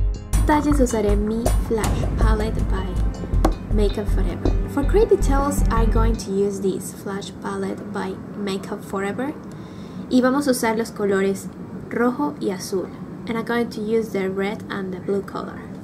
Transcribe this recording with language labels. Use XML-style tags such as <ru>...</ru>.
<es>Detalles usaré mi flash palette by Makeup Forever.</es> <en>For create details, I'm going to use this flash palette by Makeup Forever.</en> <es>Y vamos a usar los colores rojo y azul.</es> <en>And I'm going to use the red and the blue color.</en>